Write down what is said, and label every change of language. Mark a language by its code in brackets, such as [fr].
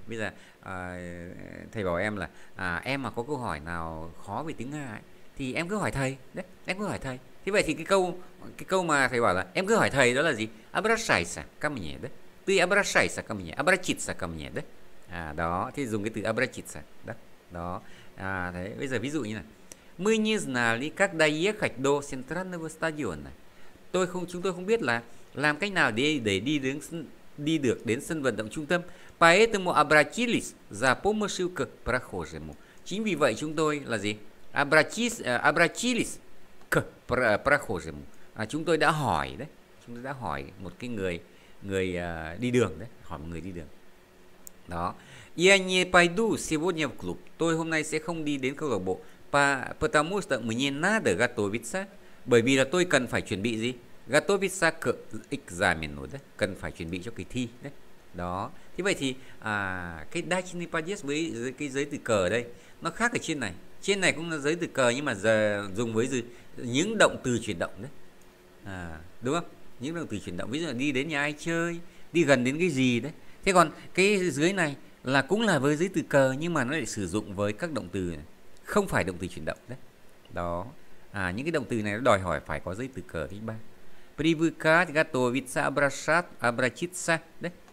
[vi] Bây giờ thầy bảo em là em mà có câu hỏi nào khó về tiếng Nga ấy, thì em cứ hỏi thầy đấy, em cứ hỏi thầy. Thế vậy thì cái câu mà thầy bảo là em cứ hỏi thầy đó là gì? [ru] Обращайся ко мне, đấy. Ты обращайся ко мне, обратиться ко мне, đấy. [vi] À đó, thì dùng cái từ обратиться, đó. Đó. À thế bây giờ ví dụ như này. [ru] Мы не знали, как доехать до центрального стадиона. [vi] Chúng tôi không biết là làm cách nào để đi được đến sân vận động trung tâm. [ru] Поэтому обратились за помощью к прохожему. [vi] Chính vì vậy chúng tôi là gì? [ru] Обратились к прохожему. [vi] À, chúng tôi đã hỏi đấy. Chúng tôi đã hỏi một cái người đi đường đấy, hỏi một người đi đường. Đó. [ru] Я не пойду сегодня в клуб. [vi] Tôi hôm nay sẽ không đi đến câu lạc bộ. [ru] Потому что мне надо готовиться. [vi] Bởi vì là tôi cần phải chuẩn bị gì? [ru] Готовиться к экзамену, đấy. [vi] Cần phải chuẩn bị cho kỳ thi đấy. Đó. Thế vậy thì cái [ru] дачный подъезд [vi] với cái giới từ cờ đây nó khác ở trên này. Trên này cũng là giới từ cờ nhưng mà giờ dùng với những động từ chuyển động đấy. À, đúng không? Những động từ chuyển động, ví dụ là đi đến nhà ai chơi, đi gần đến cái gì đấy. Thế còn cái dưới này là cũng là với giới từ cờ nhưng mà nó lại sử dụng với các động từ này. Không phải động từ chuyển động đấy. Đó. À những cái động từ này nó đòi hỏi phải có giới từ cờ thứ ba. [ru] Привыкать, готовиться, обращаться, обратиться, đấy.